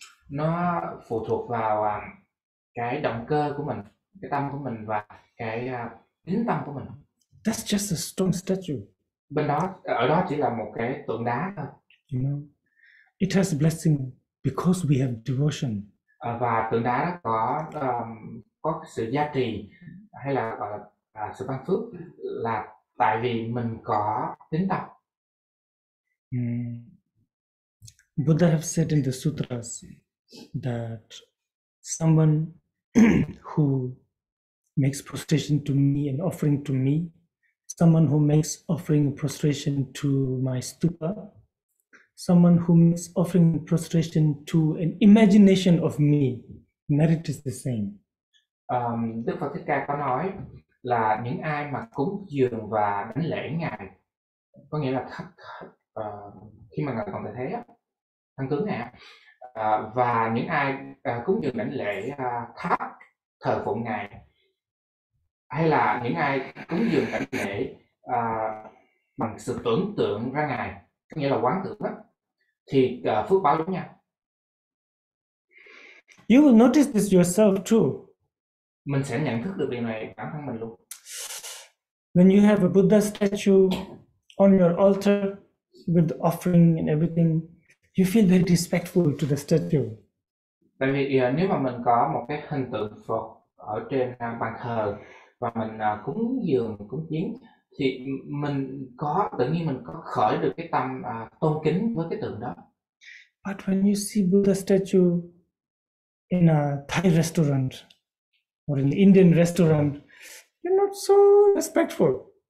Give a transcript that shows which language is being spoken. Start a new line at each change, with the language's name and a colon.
Vietnamese: Nó phụ thuộc vào cái động cơ của mình, cái tâm của mình và cái tín tâm của mình.
English: That's just a stone statue.
Vietnamese: Bên đó, ở đó chỉ là một cái tượng đá thôi.
English: You know, it has blessing because we have devotion.
Vietnamese: Và tượng đá đó có sự giá trị hay là gọi là sự ban phước là tại vì mình có tín tâm.
English: Buddha have said in the sutras that someone who makes prostration to me and offering to me, someone who makes offering prostration to my stupa, someone who makes offering prostration to an imagination of me, merit is the same.
Vietnamese: Đức Phật Thích Ca có nói là những ai mà cúng dường và đánh lễ ngài, có nghĩa là khi mà ngài còn tại thế á, thân tướng này, và những ai cúng dường đảnh lễ khác thờ phụng ngài, hay là những ai cúng dường đảnh lễ bằng sự tưởng tượng ra ngài, có nghĩa là quán tưởng đó, thì phước báo giống nhau.
English: You will notice this yourself too.
Vietnamese: Mình sẽ nhận thức được điều này bản thân mình luôn.
English: When you have a Buddha statue on your altar with the offering and everything, you feel very respectful to the statue.
Vietnamese: Tại vì nếu mà mình có một cái hình tượng Phật ở trên bàn thờ và mình cúng dường cúng kiến, thì mình có tự nhiên mình có khởi được cái tâm tôn kính với cái tượng đó.
English: But when you see Buddha statue in a Thai restaurant or in an Indian restaurant, you're not so respectful.